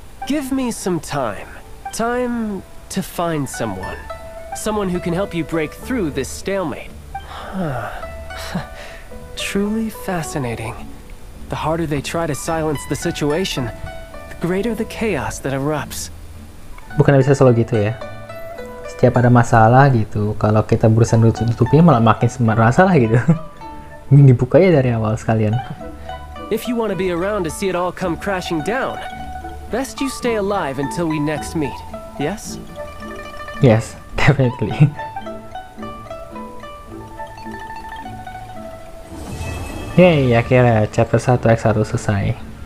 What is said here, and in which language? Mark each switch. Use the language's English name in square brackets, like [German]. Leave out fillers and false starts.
[English] Give me some time. Time to find someone. Someone who can help you break through this stalemate. Huh. Truly fascinating. The harder they try to silence the situation, the greater the chaos that erupts. [Indonesian] Bukannya bisa selalu gitu ya. Setiap ada masalah gitu, kalau kita berusaha nutupinya malah makin semakin masalah gitu. Ini dibukanya dari awal sekalian. [English] If you want to be around to see it all come crashing down, best you stay alive until we next meet. Yes? Yes, definitely. [Indonesian] Yay, akhirnya chapter 1 X1 selesai.